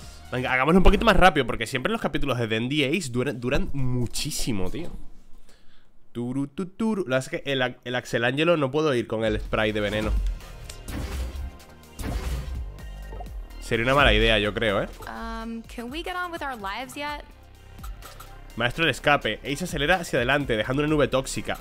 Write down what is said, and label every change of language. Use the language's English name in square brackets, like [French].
[Spanish] Venga, hagámoslo un poquito más rápido, porque siempre los capítulos de D&D Ace duran muchísimo, tío. Turu, turu. La verdad es que el Axel Angelo no puedo ir con el spray de veneno. Sería una mala idea, yo creo, ¿eh? [English] Can we get on with our lives yet? [Spanish] Maestro del escape. Ace acelera hacia adelante, dejando una nube tóxica.